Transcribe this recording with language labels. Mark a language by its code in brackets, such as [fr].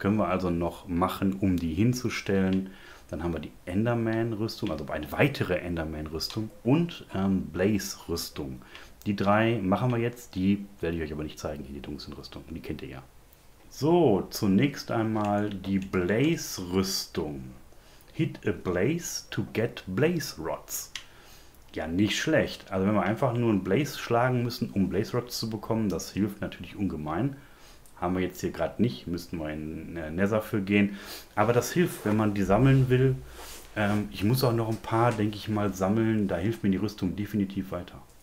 [de] Können wir also noch machen, um die hinzustellen. Dann haben wir die Enderman-Rüstung, also eine weitere Enderman-Rüstung und Blaze-Rüstung. Die drei machen wir jetzt, die werde ich euch aber nicht zeigen, hier die Tungsten-Rüstung, die kennt ihr ja. So, zunächst einmal die Blaze-Rüstung. [en] Hit a Blaze to get Blaze Rods. [de] Ja, nicht schlecht. Also wenn wir einfach nur einen Blaze schlagen müssen, um Blaze Rods zu bekommen, das hilft natürlich ungemein. Haben wir jetzt hier gerade nicht, müssten wir in Nether für gehen. Aber das hilft, wenn man die sammeln will. Ich muss auch noch ein paar, denke ich mal, sammeln. Da hilft mir die Rüstung definitiv weiter.